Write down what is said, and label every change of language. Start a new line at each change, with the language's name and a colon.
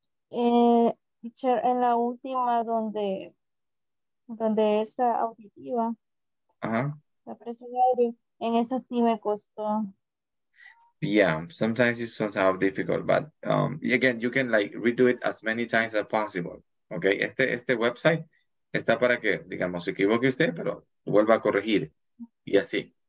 Spanish: Teacher, en la última donde esa auditiva, la presencial, en esa sí me costó.
English: Yeah, sometimes it's somehow difficult, but again, you can like redo it as many times as possible.
Spanish: Okay, este website está para que, digamos, se equivoque usted, pero vuelva a corregir y así.